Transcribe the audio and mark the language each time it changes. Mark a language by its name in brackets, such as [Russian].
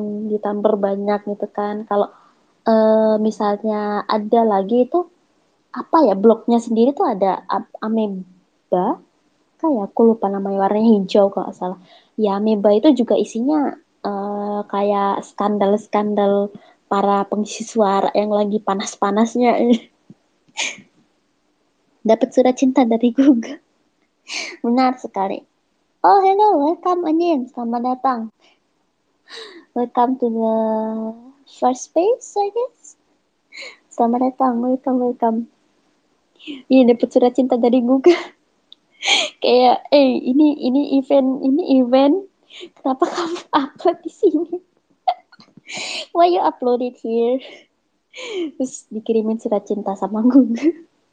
[Indonesian] Ditambah banyak gitu kan kalau misalnya ada lagi itu apa ya blognya sendiri tuh ada Ameba kayak aku lupa namanya warnanya hijau kalau gak salah ya Ameba itu juga isinya kayak skandal-skandal para pengisi suara yang lagi panas-panasnya dapat surat cinta dari Google benar sekali. [English] Oh hello, welcome Anin, [Indonesian] selamat datang. [English] Welcome to the first space, I guess. [Indonesian] Selamat datang, [English] welcome, welcome. [Indonesian] Ini dapat surat cinta dari Google. Kayak, eh, ini event. Kenapa kamu upload di sini? [English] Why you upload it here? [Indonesian] Terus dikirimin surat cinta sama Google.